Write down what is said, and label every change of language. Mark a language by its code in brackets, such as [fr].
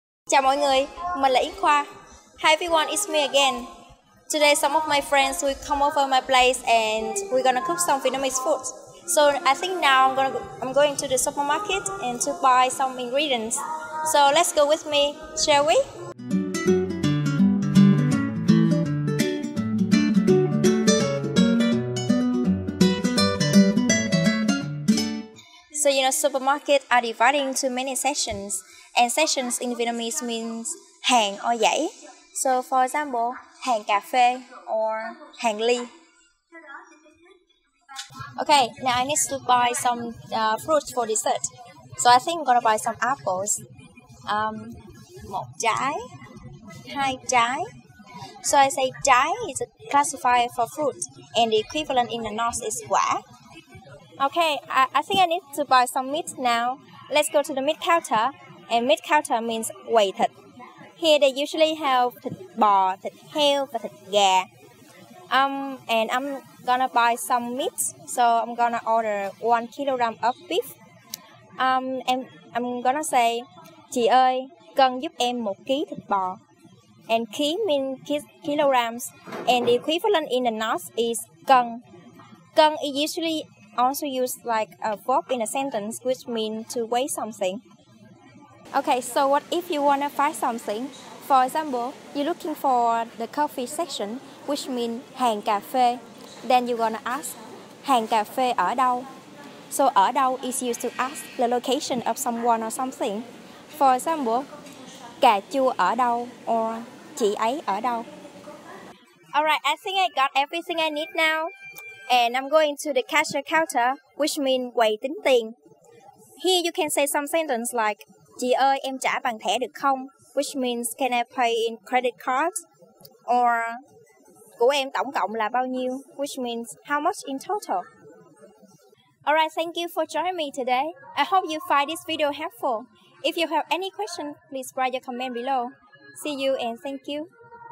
[vi] Chào mọi người, mình là Yến Khoa. [en] Hi everyone, it's me again. Today some of my friends will come over my place and we're gonna cook some Vietnamese food. So I think now I'm going to the supermarket and to buy some ingredients. So let's go with me, shall we? So you know, supermarkets are divided into many sections. And sections in Vietnamese means hàng or dãy. So for example, [vi] hàng cà phê or hàng ly. [en] Okay, now I need to buy some fruits for dessert. So I think I'm gonna buy some apples. [vi] Một trái, hai trái. [en] So I say trái is a classifier for fruit and the equivalent in the north is quả. Okay, I think I need to buy some meat now. Let's go to the meat counter. And meat counter means [vi] quầy thịt. [en] Here they usually have [vi] thịt bò, thịt heo và thịt gà. [en] And I'm gonna buy some meat, so I'm gonna order 1 kg of beef. And I'm gonna say, [vi] chị ơi, cần giúp em 1 kg thịt bò. [en] And ký means kilograms, and the equivalent in the north is cần. Cần is usually also used like a verb in a sentence, which means to weigh something. Okay, so what if you want to find something? For example, you're looking for the coffee section, which means [vi] hàng cà phê. [en] Then you're gonna ask, [vi] hàng cà phê ở đâu? [en] So ở đâu is used to ask the location of someone or something. For example, [vi] cà chua ở đâu? Or chị ấy ở đâu? [en] Alright, I think I got everything I need now. And I'm going to the cashier counter, which means [vi] quầy tính tiền. [en] Here you can say some sentence like, [vi] chị ơi, em trả bằng thẻ được không? [en] Which means, can I pay in credit cards? [vi] Or, của em tổng cộng là bao nhiêu? [en] Which means, how much in total? Alright, thank you for joining me today. I hope you find this video helpful. If you have any questions, please write your comment below. See you and thank you.